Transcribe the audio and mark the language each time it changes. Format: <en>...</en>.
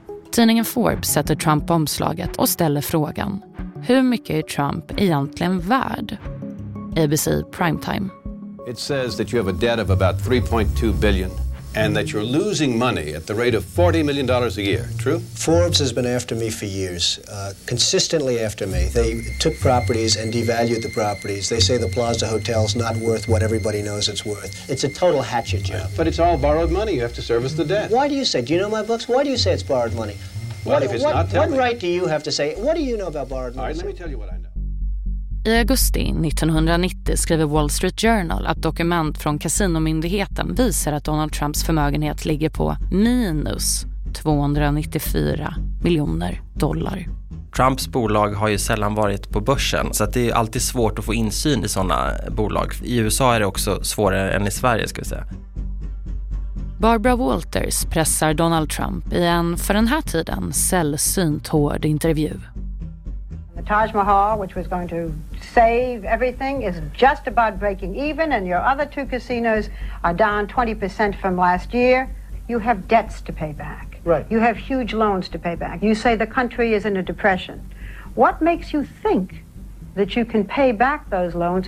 <sv>Tidningen Forbes sätter Trump omslaget och ställer frågan: hur mycket är Trump egentligen värd? ABC Primetime.</sv> <en>It says that you have a debt of about 3.2 billion and that you're losing money at the rate of $40 million a year. True? Forbes has been after me for years, consistently after me. They took properties and devalued the properties. They say the Plaza Hotel's not worth what everybody knows it's worth. It's a total hatchet job. Yeah, but it's all borrowed money. You have to service the debt. Why do you say, do you know my books? Why do you say it's borrowed money? What do you have to say? What do you know about borrowed money? All right, let me tell you what I know.</en> <sv>I augusti 1990 skriver Wall Street Journal att dokument från kasinomyndigheten visar att Donald Trumps förmögenhet ligger på minus 294 miljoner dollar. Trumps bolag har ju sällan varit på börsen, så att det är alltid svårt att få insyn i sådana bolag. I USA är det också svårare än i Sverige, ska vi säga. Barbara Walters pressar Donald Trump i en för den här tiden sällsynt hård intervju.</sv> <en>The Taj Mahal, which was going to save everything, is just about breaking even, and your other two casinos are down 20% from last year. You have debts to pay back. Right. You have huge loans to pay back. You say the country is in a depression. What makes you think that you can pay back those loans?</en>